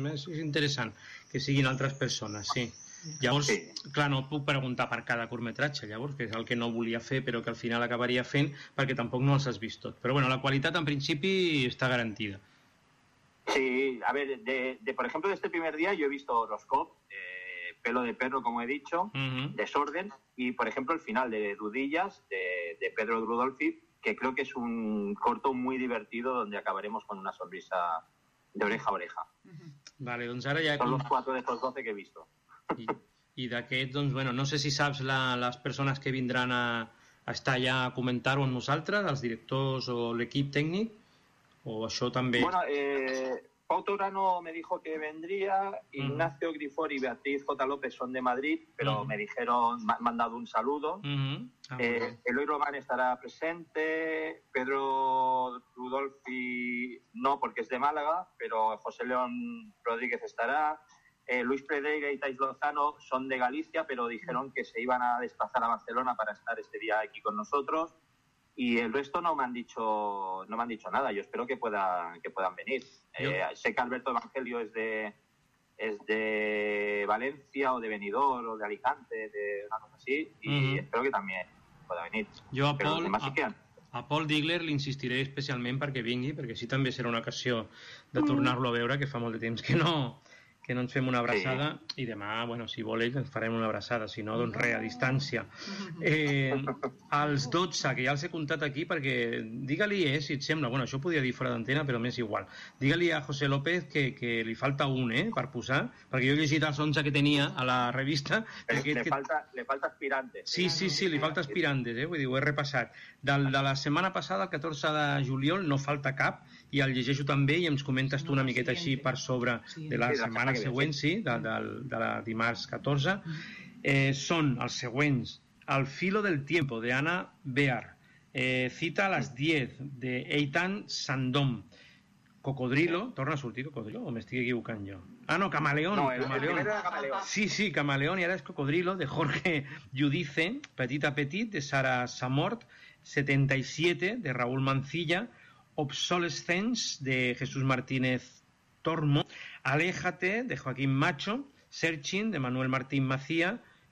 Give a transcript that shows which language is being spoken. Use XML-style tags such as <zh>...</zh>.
<ca>És interessant que siguin altres persones, sí. Llavors, sí. Clar, no puc preguntar per cada curtmetratge, llavors, que és el que no volia fer, però que al final acabaria fent, perquè tampoc no els has vist tot. Però, bueno, la qualitat, en principi, està garantida.</ca> <es>Sí, a ver, por ejemplo, de este primer día yo he visto Horoscope, Pelo de perro, como he dicho, uh-huh. Desorden, y por ejemplo el final de Dudillas, de Pedro Rudolfi, que creo que es un corto muy divertido donde acabaremos con una sonrisa de oreja a oreja.</es> <ca>Uh-huh. Vale, doncs ara ja...</ca> <es>Son los cuatro de estos 12 que he visto.</es> <ca>I d'aquests, doncs, bueno, no sé si saps les persones que vindran a estar allà a comentar-ho amb nosaltres, els directors o l'equip tècnic. O això també...</ca> <es>Bueno, Pau Torano me dijo que vendría, Ignacio Grifor y Beatriz J. López son de Madrid, pero me dijeron, me han mandado un saludo. Eloy Román estará presente, Pedro Rudolfi no, porque es de Málaga, pero José León Rodríguez estará. Luis Pedreira y Tais Lozano son de Galicia, pero dijeron que se iban a desplazar a Barcelona para estar este día aquí con nosotros. Y el resto no me han dicho nada. Yo espero que puedan venir. Sé que Alberto Evangelio es de Valencia o de Benidorm o de Alicante, de una cosa así, y espero que también pueda venir. Yo a Paul, pero los demás, a, sí quedan.</es> <ca>A Paul Digler li insistiré especialment perquè vingui, perquè així també serà una ocasió de tornar-lo a veure, que fa molt de temps que no ens fem una abraçada, sí. I demà, bueno, si vol ell, ens farem una abraçada, si no, doncs res, a distància. Els 12, que ja els he comptat aquí, perquè digue-li, si et sembla, bueno, això ho podia dir fora d'antena, però m'és igual, digue-li a José López que li falta un, per posar, perquè jo he llegit els 11 que tenia a la revista.</ca> <es>Le falta aspirantes.</es> <ca>Sí, li falta aspirantes, vull dir, ho he repassat. De la setmana passada, el 14 de juliol, no falta cap, i el llegeixo també i ens comentes tu una miqueta així per sobre de la setmana següent, sí, de la dimarts 14. Són els següents.</ca> <es>El filo del tiempo, de Anna Bear.</es> <ca>Cita a les 10, de Eitan Sandom. Cocodrilo, torna a sortir cocodrilo, o m'estic equivocant jo? Ah, no, Camaleón. No, Camaleón. Camaleón. Sí, Camaleón, i ara és Cocodrilo, de Jorge Judice, Petit a Petit, de Sara Samort, 77, de Raúl Mancilla, Obsolescence, de Jesús Martínez Tormo, Aléjate, de Joaquín Macho, Searching, de Manuel Martín Macía,</ca>